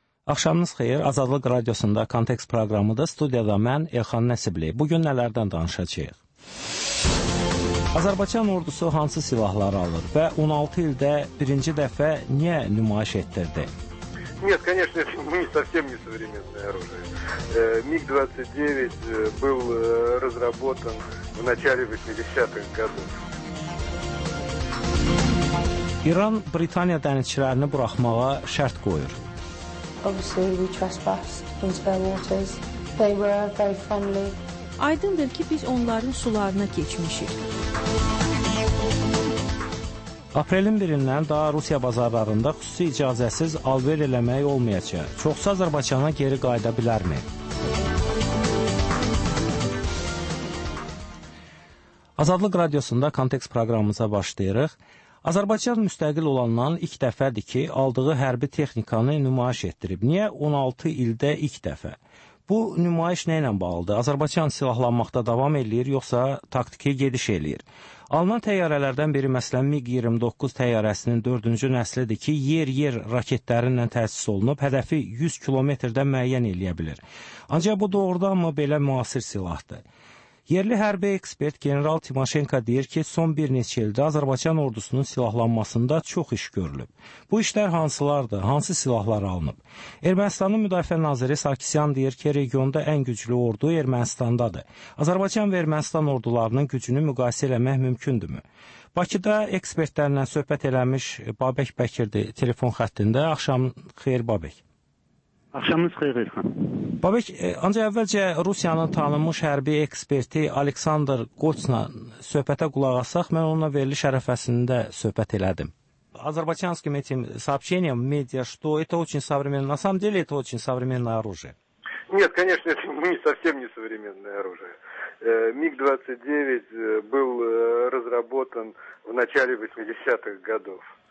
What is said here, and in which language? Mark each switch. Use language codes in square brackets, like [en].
[az] Axşamınız xeyir, Azadlıq Radiosunda Kontekst proqramıda studiyada mən, Elxan Nəsibli. Bugün nələrdən danışacaq? Azərbaycan ordusu hansı silahları alır və 16 ildə birinci dəfə niyə nümayiş etdirdi? [ru] Нет, конечно, это не совсем не современное оружие. МиГ-29 был разработан в начале 80-х годов. [az] İran Britaniya dənizçilərini buraxmağa şərt qoyur. [en] Obviously we trespassed into their waters. They were very friendly. [az] Aydındır ki, biz onların sularına keçmişik. Aprelin 1-dən daha Rusiya bazarlarında xüsusi icazəsiz alver eləmək olmayacaq. Çoxsa Azərbaycana geri qayıda bilərmi? Azadlıq Radiosunda Kontekst proqramımıza başlayırıq. Azərbaycan müstəqil olandan ilk dəfədir ki, aldığı hərbi texnikanı nümayiş etdirib. Niyə 16 ildə ilk dəfə? Bu nümayiş nə ilə bağlıdır? Azərbaycan silahlanmaqda davam eləyir, yoxsa taktiki gediş eləyir? Alınan təyyarələrdən biri, məsələn, MiG-29 təyyarəsinin 4-cü nəslidir ki, yer-yer raketlərinlə təsis olunub, hədəfi 100 kilometrdən müəyyən eləyə bilir. Ancaq bu doğrudanmı belə müasir silahdır? Yerli hərbi ekspert General Timoshenko deyir ki, son bir neçə ildə Azərbaycan ordusunun silahlanmasında çox iş görülüb. Bu işlər hansılardır, hansı silahlar alınıb? Ermənistanın müdafiə naziri Sarkisyan deyir ki, regionda ən güclü ordu Ermənistandadır. Azərbaycan və Ermənistan ordularının gücünü müqayisə eləmək mümkündürmü? Bakıda ekspertlərlə söhbət eləmiş Babək Bəkirdi telefon xəttində. Axşam xeyir, Babək. Axşamınız xeyir, Elxan. Babək, ancaq əvvəlcə Rusiyanın tanınmış hərbi eksperti Aleksandr Qoçla söhbətə qulaq asaq, mən onunla veriliş ərəfəsində söhbət elədim. [ru] Азербайджанским этим сообщением медиа, что это очень современное, на самом деле это очень современное оружие. Нет, конечно, это не совсем не современное оружие. МиГ-29 был разработан в начале 80-х годов.